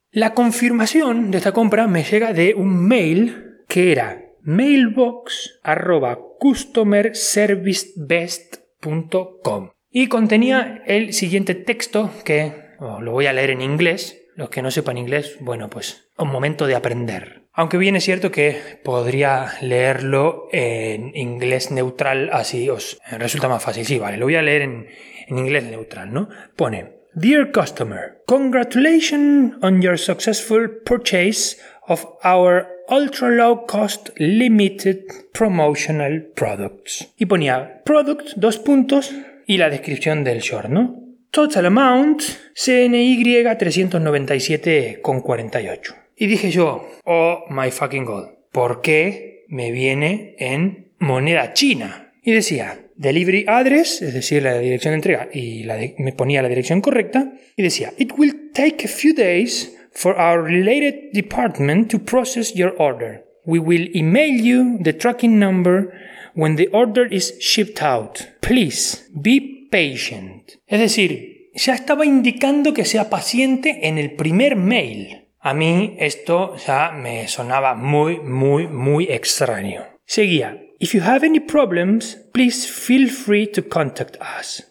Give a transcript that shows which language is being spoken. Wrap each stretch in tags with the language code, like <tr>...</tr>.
<es>La confirmación de esta compra me llega de un mail que era mailbox@customerservicebest.com y contenía el siguiente texto que lo voy a leer en inglés. Los que no sepan inglés, bueno, pues un momento de aprender. Aunque bien es cierto que podría leerlo en inglés neutral, así os resulta más fácil. Sí, vale, lo voy a leer en inglés neutral, ¿no? Pone:</es> <en>Dear customer, congratulations on your successful purchase of our ultra low cost limited promotional products.</en> <es>Y ponía product, dos puntos, y la descripción del short, ¿no?</es> <en>Total amount, CNY 397,48.</en> <es>Y dije yo,</es> <en>oh my fucking god,</en> <es>¿por qué me viene en moneda china? Y decía,</es> <en>delivery address,</en> <es>es decir, la dirección de entrega, y me ponía la dirección correcta, y decía,</es> <en>it will take a few days for our related department to process your order. We will email you the tracking number when the order is shipped out. Please, be patient.</en> <es>Es decir, ya estaba indicando que sea paciente en el primer mail. A mí esto ya me sonaba muy, muy, muy extraño. Seguía.</es> <en>If you have any problems, please feel free to contact us.</en>